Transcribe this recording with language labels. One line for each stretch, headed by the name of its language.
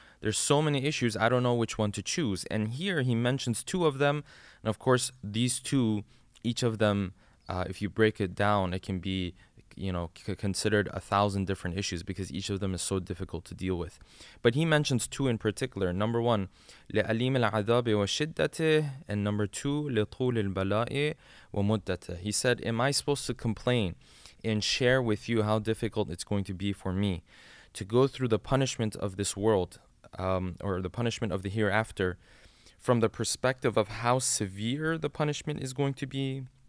English: There's so many issues, I don't know which one to choose. And here he mentions two of them. And of course, these two, each of them, if you break it down, it can be, you know, considered 1,000 different issues because each of them is so difficult to deal with. But he mentions two in particular. Number one,
Arabic: لِأَلِيمِ الْعَذَابِ وَشِدَّتِهِ.
English: And number two,
Arabic: لِطُولِ الْبَلَاءِ وَمُدَّتِهِ.
English: He said, am I supposed to complain and share with you how difficult it's going to be for me to go through the punishment of this world, or the punishment of the hereafter, from the perspective of how severe the punishment is going to be?